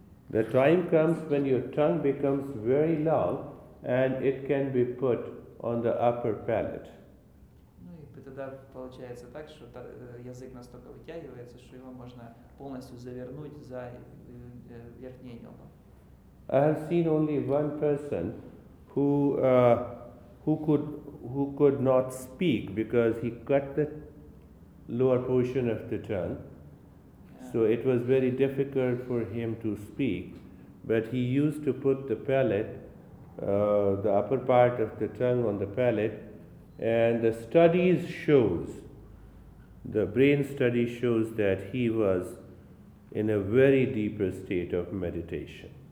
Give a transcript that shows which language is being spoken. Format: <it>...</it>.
<en>The time comes when your tongue becomes very long and it can be put on the upper palate.</en> <ru>Ну и тогда получается так, что язык настолько вытягивается, что его можно полностью завернуть за верхнее небо.</ru> <en>I have seen only one person who could not speak because he cut the lower portion of the tongue. So it was very difficult for him to speak, but he used to put the palate, the upper part of the tongue on the palate, and the studies shows, the brain study shows that he was in a very deeper state of meditation.</en>